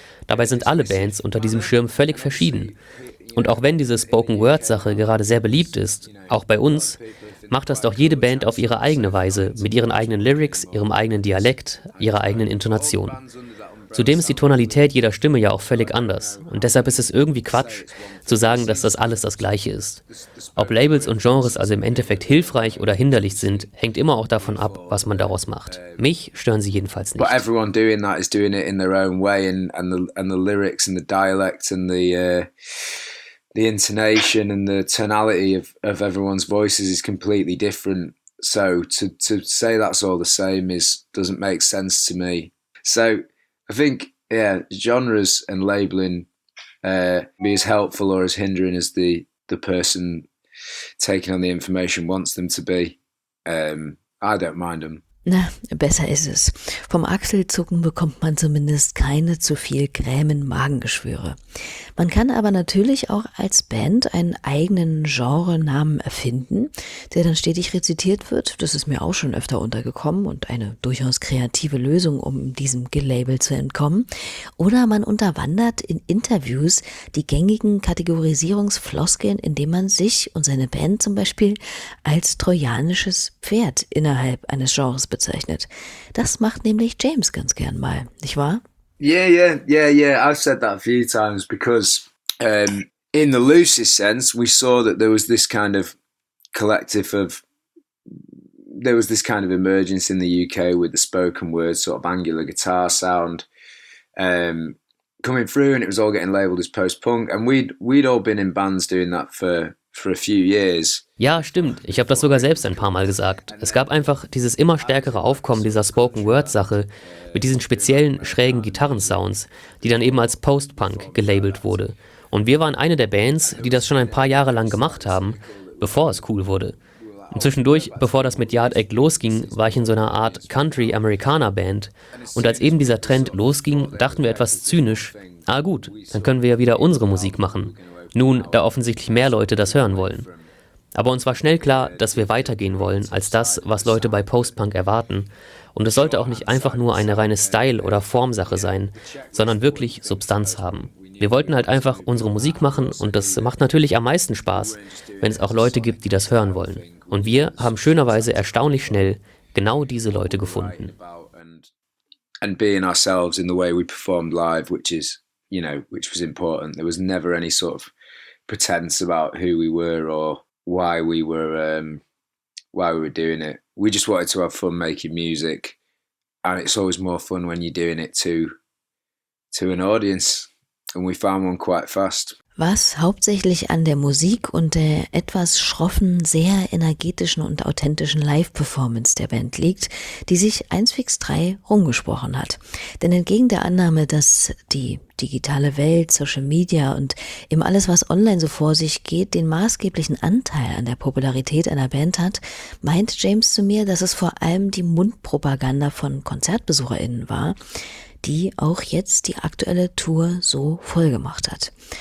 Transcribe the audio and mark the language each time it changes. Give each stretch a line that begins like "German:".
German: Dabei sind alle Bands unter diesem Schirm völlig verschieden. Und auch wenn diese Spoken-Word-Sache gerade sehr beliebt ist, auch bei uns, macht das doch jede Band auf ihre eigene Weise, mit ihren eigenen Lyrics, ihrem eigenen Dialekt, ihrer eigenen Intonation. Zudem ist die Tonalität jeder Stimme ja auch völlig anders. Und deshalb ist es irgendwie Quatsch, zu sagen, dass das alles das Gleiche ist. Ob Labels und Genres also im Endeffekt hilfreich oder hinderlich sind, hängt immer auch davon ab, was man daraus macht. Mich stören sie jedenfalls nicht.
English: But everyone doing that is doing it in their own way, and the lyrics and the dialect and the intonation and the tonality of everyone's voices is completely different. So to say that's all the same is doesn't make sense to me. So I think, yeah, genres and labeling be as helpful or as hindering as the person taking on the information wants them to be. I don't mind them.
German: Na, besser ist es. Vom Achselzucken bekommt man zumindest keine zu viel grämen Magengeschwüre. Man kann aber natürlich auch als Band einen eigenen Genrenamen erfinden, der dann stetig rezitiert wird. Das ist mir auch schon öfter untergekommen und eine durchaus kreative Lösung, um diesem Gelabel zu entkommen. Oder man unterwandert in Interviews die gängigen Kategorisierungsfloskeln, indem man sich und seine Band zum Beispiel als trojanisches Pferd innerhalb eines Genres bezeichnet. Das macht nämlich James ganz gern mal, nicht wahr?
English: Yeah. I've said that a few times because in the loosest sense, we saw that there was this kind of collective of there was this kind of emergence in the UK with the spoken word sort of angular guitar sound coming through, and it was all getting labeled as post-punk. And we'd all been in bands doing that for a few years.
German: Ja, stimmt. Ich habe das sogar selbst ein paar Mal gesagt. Es gab einfach dieses immer stärkere Aufkommen dieser Spoken-Word-Sache mit diesen speziellen, schrägen Gitarren-Sounds, die dann eben als Post-Punk gelabelt wurde. Und wir waren eine der Bands, die das schon ein paar Jahre lang gemacht haben, bevor es cool wurde. Und zwischendurch, bevor das mit Yard Act losging, war ich in so einer Art Country-Americana-Band. Und als eben dieser Trend losging, dachten wir etwas zynisch, ah gut, dann können wir ja wieder unsere Musik machen. Nun, da offensichtlich mehr Leute das hören wollen. Aber uns war schnell klar, dass wir weitergehen wollen als das, was Leute bei Post-Punk erwarten. Und es sollte auch nicht einfach nur eine reine Style- oder Formsache sein, sondern wirklich Substanz haben. Wir wollten halt einfach unsere Musik machen, und das macht natürlich am meisten Spaß, wenn es auch Leute gibt, die das hören wollen. Und wir haben schönerweise erstaunlich schnell genau diese Leute gefunden.
English: And being ourselves in the way we performed live, which is, you know, which was important. There was never any sort of pretense about who we were or why we were doing it. We just wanted to have fun making music, and it's always more fun when you're doing it to an audience, and we found one quite fast.
German: Was hauptsächlich an der Musik und der etwas schroffen, sehr energetischen und authentischen Live-Performance der Band liegt, die sich 1fix3 rumgesprochen hat. Denn entgegen der Annahme, dass die digitale Welt, Social Media und eben alles, was online so vor sich geht, den maßgeblichen Anteil an der Popularität einer Band hat, meint James zu mir, dass es vor allem die Mundpropaganda von KonzertbesucherInnen war, die auch jetzt die aktuelle Tour so vollgemacht hat.